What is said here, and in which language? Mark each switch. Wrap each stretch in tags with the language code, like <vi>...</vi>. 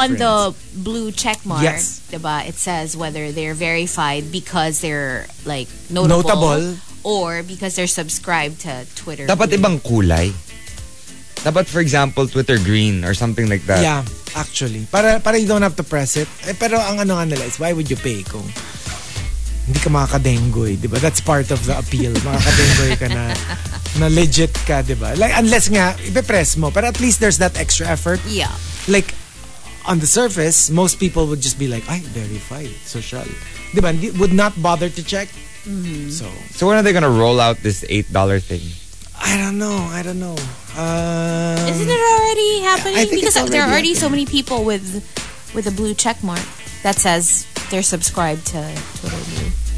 <en>When you click on the blue checkmark, yes,</en> <tl>di ba,</tl> <en>it says whether they're verified because they're like notable or because they're subscribed to Twitter.</en> <tl>Dapat</tl> <en>blue.</en> <tl>Ibang kulay. Dapat,</tl> <en>for example, Twitter green or something like that. Yeah, actually.</en> <tl>Para</tl> <en>you don't have to press it.</en> <tl>Eh, pero ang ano nga nila is,</tl> <en>why would you pay</en> <tl>kung hindi ka makakadengoy, di ba?</tl> <en>That's part of the appeal.</en> <tl>Makakadengoy ka na legit ka, di ba?</tl> <en>Like, unless</en> <tl>nga, ipipress mo.</tl> <en>But at least there's that extra effort. Yeah. Like, on the surface, most people would just be like,</en> <tl>ay,</tl> <en>verify, social.</en> <tl>Di ba?</tl> <en>Would not bother to check. Mm-hmm. So when are they gonna roll out this $8 thing? I don't know. Isn't it already happening? I think because already, there are already so many people with a blue check mark that says they're subscribed to Twitter.</en>